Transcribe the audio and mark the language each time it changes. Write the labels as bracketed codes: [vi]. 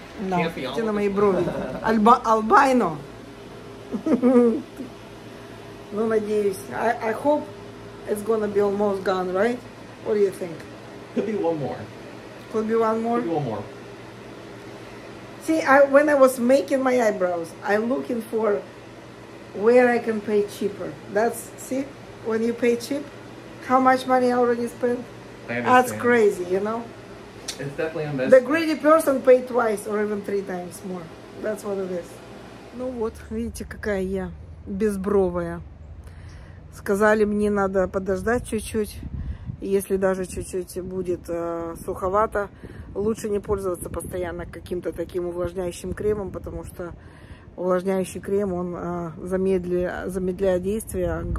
[ru] No, это на мои брови. Альбайно. Ну, надеюсь. [en] I hope it's gonna be almost gone, right? What do you think? Could be one more. Could be one more? Could be one more. See, when I was making my eyebrows, I'm looking for where I can pay cheaper. That's, see, when you pay cheap, how much money I already spent? That's crazy, you know? It's definitely invested. The greedy person paid twice or even three times more. That's what it is. [ru] Ну вот, видите, какая я безбровая. Сказали, мне надо подождать чуть-чуть. Если даже чуть-чуть будет суховато, лучше не пользоваться постоянно каким-то таким увлажняющим кремом, потому что увлажняющий крем, он замедляет действие.